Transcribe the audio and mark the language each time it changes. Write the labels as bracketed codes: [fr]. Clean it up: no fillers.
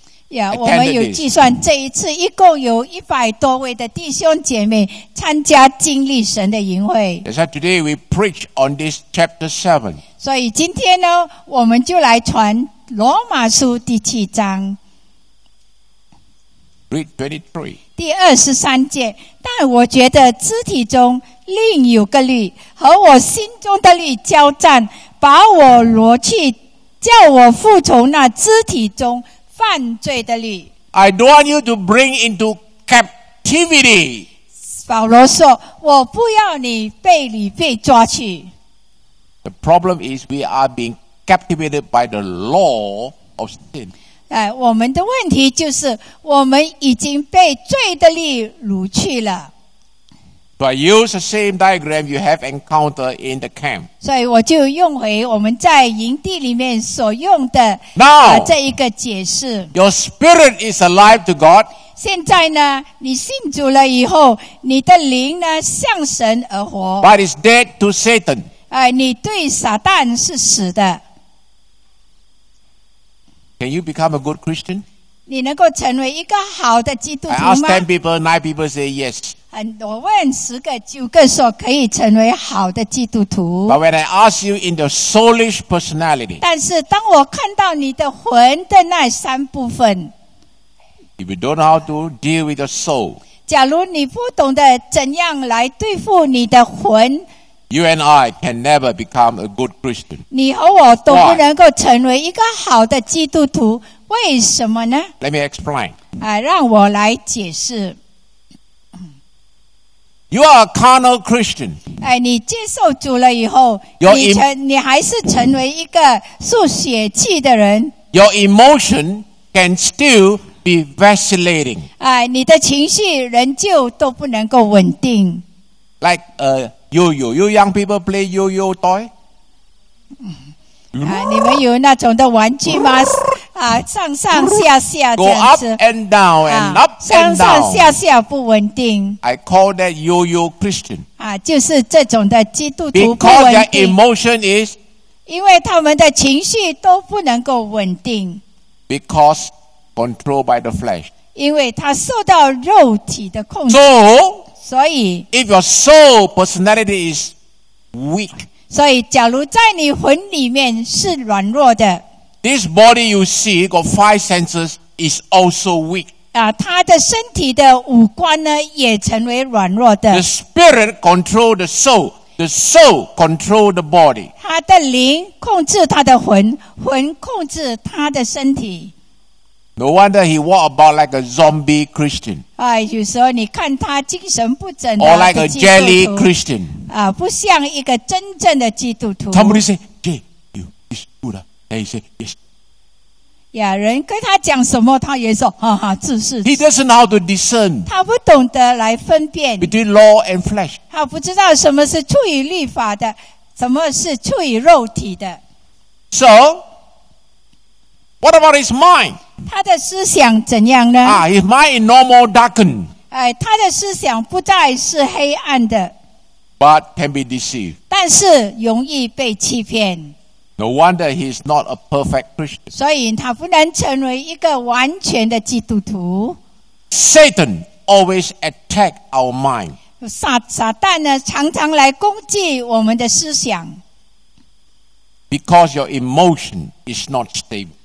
[zh] Yeah, 我们有计算这一次一共有100多位的弟兄姐妹参加经历神的营会。 [en] That's why today we preach on this chapter 7. [zh] 所以今天呢，我们就来传罗马书第七章。 [en] Read 23. [zh] 第23节，但我觉得肢体中另有个律和我心中的律交战，把我挪去，叫我服从那肢体中犯罪的律。 [en] I don't want you to bring into captivity. [zh] 保罗说，我不要你被你被抓去。 [en] The problem is we are being captivated by the law of sin. [zh] 我们的问题就是我们已经被罪的律掳去了。 [en] But use the same diagram you have encountered in the camp. [zh] 所以我就用回我们在营地里面所用的 [en] Now, [zh] 这一个解释。 [en] Your spirit is alive to God. [zh] 现在呢，你信主了以后，你的灵呢向神而活。 [en] But it's dead to Satan. [zh] 你对撒旦是死的。 [en] Can you become a good Christian? [zh] 你能够成为一个好的基督徒吗？ [en] I ask 10 people, 9 people say yes. [zh] 我问十个，九个说可以成为好的基督徒。 [en] But when I ask you in the soulish personality, [zh] 但是当我看到你的魂的那三部分， [en] if you don't know how to deal with your soul, [zh] 假如你不懂得怎样来对付你的魂， [en] you and I can never become a good Christian. [zh] 你和我都不能够成为一个好的基督徒，为什么呢？ [en] Let me explain. [zh] 让我来解释。 [en] You are a carnal Christian. [zh] 你接受主了以后，你还是成为一个受血气的人。 [en] Your emotion can still be vacillating. [zh] 你的情绪仍旧都不能够稳定。 [en] Like a yo-yo, you young people play yo-yo toy? [zh] 你们有那种的玩具吗？上上下下这样子。 [en] Go up and down and up and down. [zh] 上上下下不稳定。 [en] I call that yo-yo Christian. [zh] 就是这种的基督徒不稳定。 [en] Because their emotion is? [zh] 因为他们的情绪都不能够稳定。 [en] Because controlled by the flesh. [zh] 因为他受到肉体的控制。 [en] So, [zh] 所以 [en] if your soul personality is weak, [zh] 所以假如在你魂里面是软弱的， [en] this body you see got five senses is also weak. [zh] 他的身体的五官呢也成为软弱的。 [en] The spirit control the soul, the soul control the body. [zh] 他的灵控制他的魂，魂控制他的身体。 [en] No wonder he walk about like a zombie Christian. [zh] 有时候你看他精神不振。 [en] Or like a jelly Christian. [zh] 不像一个真正的基督徒。 [en] Somebody say, "Jay, you is good." And he say, "Yes." [zh] 人跟他讲什么，他也说，哈哈，自是。 [en] He doesn't know how to discern. [zh] 他不懂得来分辨。 [en] Between law and flesh. [zh] 他不知道什么是出于律法的，什么是出于肉体的。 [en] So, what about his mind? [zh] 他的思想怎样呢？ [en] His mind is normal darkened. [zh] 他的思想不再是黑暗的。 [en] But can be deceived. [zh] 但是容易被欺骗。 [en] No wonder he is not a perfect Christian. [zh] 所以他不能成为一个完全的基督徒。 [en] Satan always attack our mind. [zh] 撒旦呢，常常来攻击我们的思想。 [en] Because your emotion is not stable.